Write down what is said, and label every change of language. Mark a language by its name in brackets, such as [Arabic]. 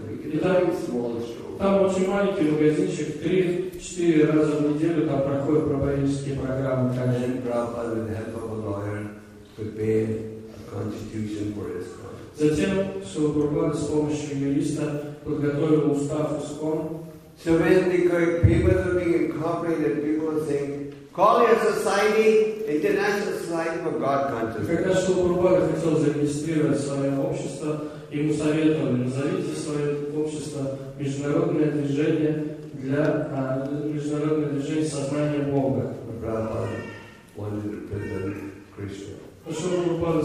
[Russian] И там очень маленький магазинчик, 3-4 раза в неделю там проходят правительские программы. [English] Then Prabhupada, with the help of a lawyer, prepared a constitution for his country. [Russian] Затем Шрила Прабхупада с помощью юриста подготовил устав ИСККОН. [English] So when the papers were being incorporated, people were saying, call your society, International Society for God Consciousness. [Russian] Когда Шрила Прабхупада хотел зарегистрировать свое общество, ему советовали, назовите свое общество Международное движение для Международное движение сознания Бога. Прабхупада